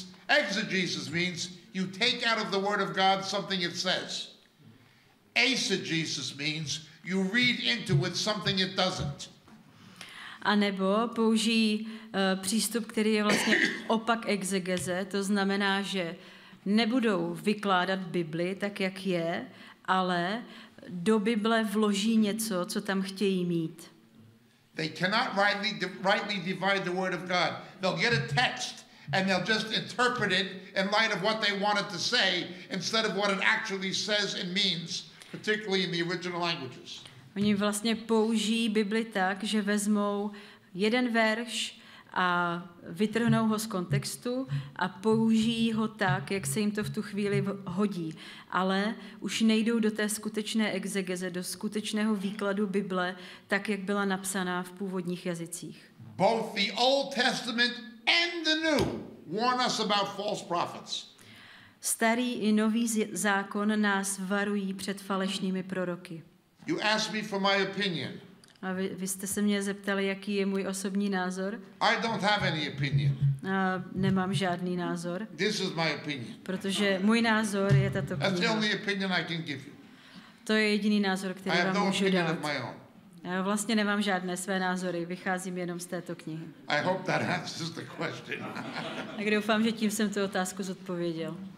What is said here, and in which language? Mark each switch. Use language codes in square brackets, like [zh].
[en] Exegesis means you take out of the word of God something it says. Eisegesis means you read into it something it doesn't. [cs] A nebo použijí přístup, který je vlastně opak exegeze, to znamená, že nebudou vykládat Bibli tak, jak je, ale do Bible vloží něco, co tam chtějí mít. [en] They cannot rightly divide the word of God. They'll get a text and they'll just interpret it in light of what they wanted to say instead of what it actually says and means, particularly in the original languages. [cs] Oni vlastně použijí Bibli tak, že vezmou jeden verš a vytrhnou ho z kontextu a použijí ho tak, jak se jim to v tu chvíli hodí. Ale už nejdou do té skutečné exegeze, do skutečného výkladu Bible, tak, jak byla napsaná v původních jazycích. [en] Both the Old Testament and the New warn us about false prophets. [cs] Starý i Nový zákon nás varují před falešnými proroky. [en] You asked me for my opinion. [cs] A vy jste se mě zeptali, jaký je můj osobní názor. [en] I don't have any opinion. [cs] Nemám žádný názor. [en] This is my opinion. [cs] Protože můj názor je tato kniha. [en] That's the only opinion I can give you. [cs] To je jediný názor, který vám můžu dát. [en] I have no opinion of my own. [cs] Já vlastně nemám žádné své názory, vycházím jenom z této knihy. [en] I hope that answers the question. [cs] Tak doufám, že tím jsem tu otázku zodpověděl.